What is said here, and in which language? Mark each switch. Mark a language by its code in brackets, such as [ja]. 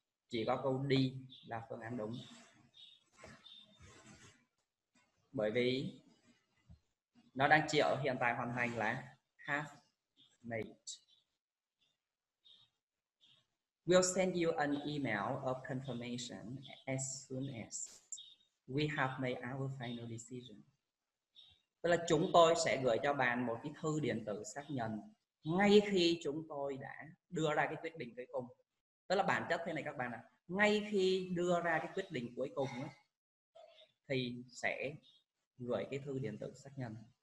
[vi] Chỉ có câu D là phương án đúng. Bởi vì nó đang chịu hiện tại hoàn thành là have made. [en] We'll send you an email of confirmation as soon as we have made our final decision. [vi] Tức là chúng tôi sẽ gửi cho bạn một cái thư điện tử xác nhận ngay khi chúng tôi đã đưa ra cái quyết định cuối cùng. Tức là bản chất thế này các bạn ạ, ngay khi đưa ra cái quyết định cuối cùng ấy, thì sẽ gửi cái thư điện tử xác nhận.